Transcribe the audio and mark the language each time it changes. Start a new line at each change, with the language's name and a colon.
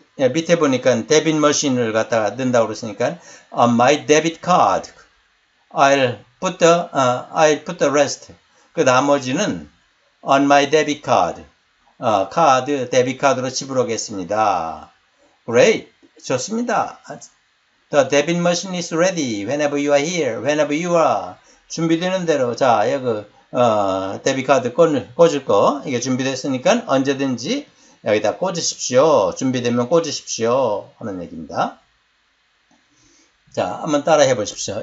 Korean: 밑에 보니까 debit machine을 갖다가 넣는다고 그러시니까
English: On my debit card. I'll put the rest.
Korean: 그 나머지는
English: On my debit card.
Korean: 카드, 데뷔 카드로 지불하겠습니다.
English: Great.
Korean: 좋습니다.
English: The debit machine is ready whenever you are here, whenever you are.
Korean: 준비되는 대로. 자, 여기, 데뷔 카드 꽂을 거. 이게 준비됐으니까 언제든지 여기다 꽂으십시오. 준비되면 꽂으십시오. 하는 얘기입니다. 자, 한번 따라해 보십시오.